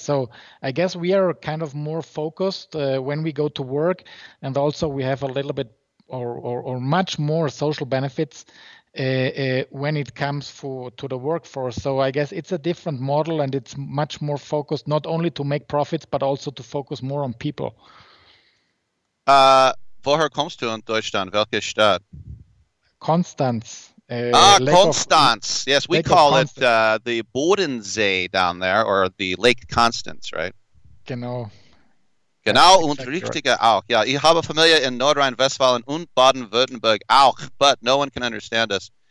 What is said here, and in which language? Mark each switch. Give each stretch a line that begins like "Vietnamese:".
English: So I guess we are kind of more focused when we go to work, and also we have a little bit or much more social benefits when it comes to the workforce. So I guess it's a different model, and it's much more focused not only to make profits, but also to focus more on people.
German: Woher kommst du in Deutschland? Welche Stadt? Konstanz. Konstanz.
English: Yes, we call it the Bodensee down there, or the Lake Constance, right?
German: Genau yeah, und exactly richtige right. Auch. Ja, ich habe Familie in Nordrhein-Westfalen und Baden-Württemberg auch,
English: but no one can understand us.